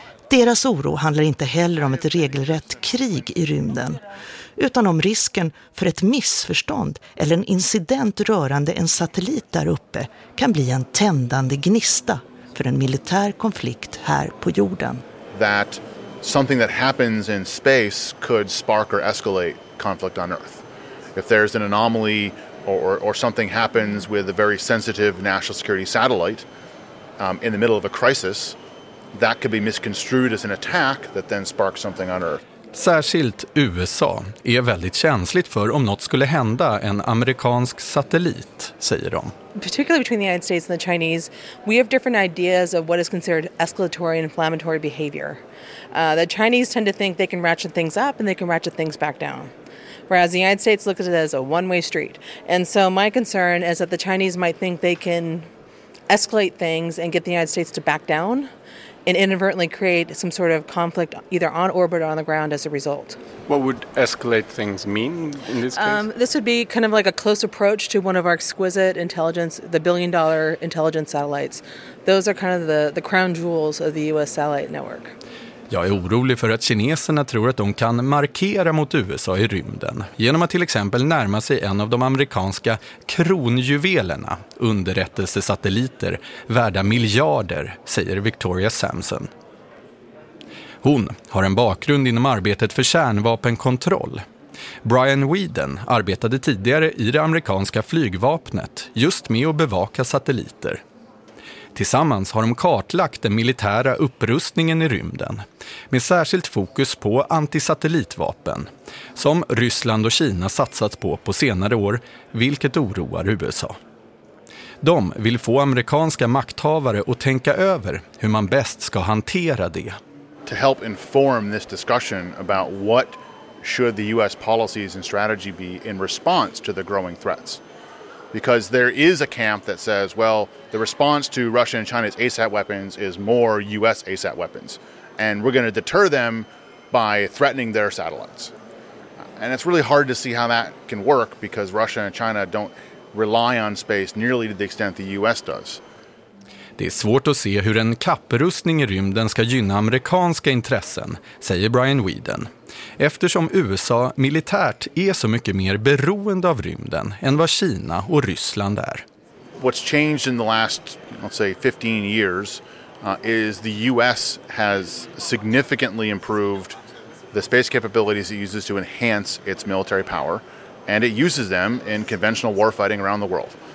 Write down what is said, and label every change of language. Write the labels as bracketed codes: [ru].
[sv] Deras oro handlar inte heller om ett regelrätt krig i rymden, utan om risken för ett missförstånd eller en incident rörande en satellit där uppe kan bli en tändande gnista för en militär konflikt här på jorden. [en] That something that happens in space could spark or escalate conflict on Earth. If there's an anomaly or something happens with a very sensitive national security satellite in the middle of a crisis, that could be misconstrued as an attack that then sparks something on Earth. [sv] Särskilt USA är väldigt känsligt för om något skulle hända en amerikansk satellit, säger de. [en] Particularly between the United States and the Chinese, we have different ideas of what is considered escalatory and inflammatory behavior. The Chinese tend to think they can ratchet things up and they can ratchet things back down. Whereas the United States looks at it as a one-way street. And so my concern is that the Chinese might think they can escalate things and get the United States to back down and inadvertently create some sort of conflict either on orbit or on the ground as a result. What would escalate things mean in this case? This would be kind of like a close approach to one of our exquisite intelligence, the billion-dollar intelligence satellites. Those are kind of the crown jewels of the US satellite network. [sv] Jag är orolig för att kineserna tror att de kan markera mot USA i rymden genom att till exempel närma sig en av de amerikanska kronjuvelerna, underrättelsesatelliter, värda miljarder, säger Victoria Samson. Hon har en bakgrund inom arbetet för kärnvapenkontroll. Brian Whedon arbetade tidigare i det amerikanska flygvapnet just med att bevaka satelliter. Tillsammans har de kartlagt den militära upprustningen i rymden med särskilt fokus på antisatellitvapen som Ryssland och Kina satsat på senare år, vilket oroar USA. De vill få amerikanska makthavare att tänka över hur man bäst ska hantera det. [en] To help inform this discussion about what should the US policies and strategy be in response to the growing threats. Because there is a camp that says, well, the response to Russia and China's ASAT weapons is more US ASAT weapons. And we're going to deter them by threatening their satellites. And it's really hard to see how that can work because Russia and China don't rely on space nearly to the extent the US does. [sv] Det är svårt att se hur en kapprustning i rymden ska gynna amerikanska intressen, säger Brian Whedon. Eftersom USA militärt är så mycket mer beroende av rymden än vad Kina och Ryssland är. [en] What's changed in the last, let's say 15 years, is the US has significantly improved the space capabilities it uses to enhance its military power, and it uses them in conventional warfighting around the world.